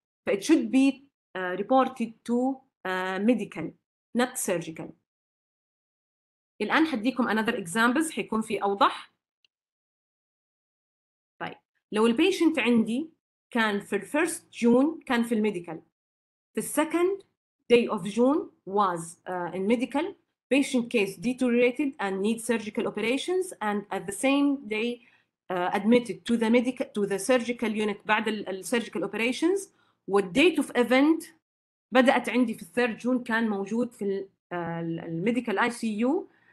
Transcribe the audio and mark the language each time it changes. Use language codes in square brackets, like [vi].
[en] فit should be reported to medical not surgical. [ar] الآن حديكم [en] another examples [ar] حيكون في أوضح. طيب لو الـ patient عندي كان في الـ 1st June كان في الميديكال. [en] The second day of June was in medical. Patient case deteriorated and need surgical operations. And at the same day, admitted to the medical to the surgical unit. [ar] بعد ال [en] surgical operations, what date of event [ar] بدأت عندي في [en] 3rd June [ar] كان موجود في ال [en] medical ICU.